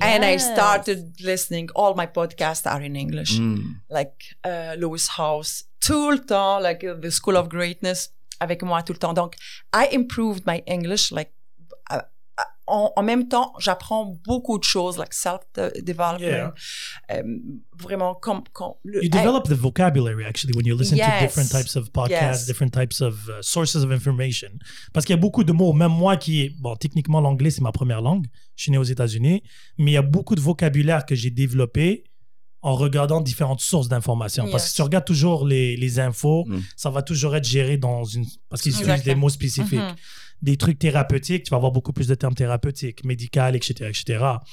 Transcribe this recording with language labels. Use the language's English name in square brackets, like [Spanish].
[English] And I started listening. All my podcasts are in English. Mm. [French] Like Lewis House, tout le temps, like The School of Greatness, avec moi tout le temps. [English] Donc, I improved my English. [French] Like, en même temps, j'apprends beaucoup de choses, like self-development. [English] Yeah. [French] Vraiment, [English] you develop the vocabulary, actually, when you listen to different types of podcasts, different types of sources of information. [French] Parce qu'il y a beaucoup de mots, même moi qui, bon, techniquement, l'anglais, c'est ma première langue. Je suis né aux États-Unis. Mais il y a beaucoup de vocabulaire que j'ai développé en regardant différentes sources d'informations. [English] Yes. [French] Parce que si tu regardes toujours les infos, ça va toujours être géré dans une... Parce qu'ils utilisent des mots spécifiques. Mm-hmm. Des trucs thérapeutiques, tu vas avoir beaucoup plus de termes thérapeutiques, médicales, etc., etc.